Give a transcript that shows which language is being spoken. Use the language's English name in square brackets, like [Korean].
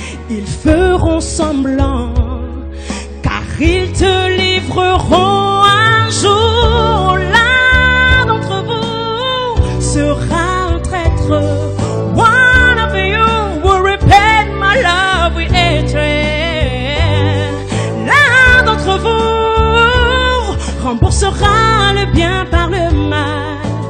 [French] Ils feront semblant, car ils te livreront un jour. L'un d'entre vous sera un traître. [English] One of you will repent my love with hatred. [French] L'un d'entre vous remboursera le bien par le mal.